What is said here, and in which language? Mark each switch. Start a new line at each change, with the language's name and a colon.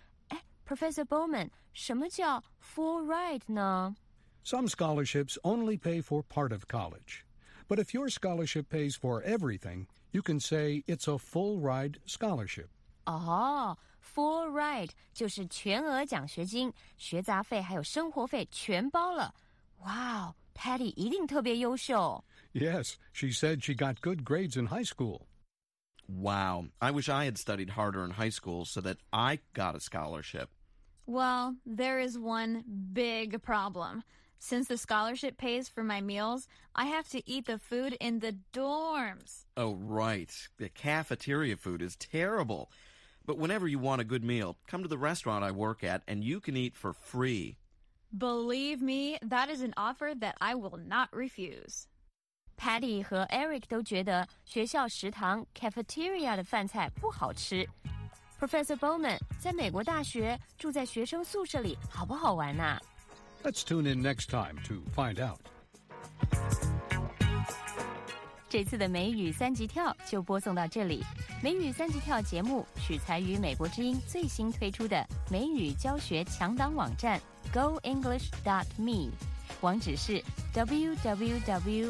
Chinese: 哎，Professor Bowman, 什么叫 full ride 呢？
English: Some scholarships only pay for part of college. But if your scholarship pays for everything, you can say it's a full ride scholarship.
Chinese: Oh, full ride 就是全额奖学金，学杂费还有生活费全包了。 Wow, Patty 一定特别优秀。
English: Yes, she said she got good grades in high school. Wow, I wish I had studied harder in high school so that I got a scholarship. Well, there is one big problem. Since the scholarship pays for my meals, I have to eat the food in the dorms. Oh, right. The cafeteria food is terrible. But whenever you want a good meal, come to the restaurant I work at and you can eat for free. Believe me, that is an offer that I will not refuse.
Chinese: Patty 和 Eric 都觉得学校食堂 cafeteria 的饭菜不好吃。 Professor Bowman, 在美国大学住在学生宿舍里好不好玩呢？
English: Let's tune in next time to find out.
Chinese: 这次的美语三级跳就播送到这里。美语三级跳节目取材于美国之音最新推出的美语教学强档网站 goenglish.me， 网址是 www.goenglish.me。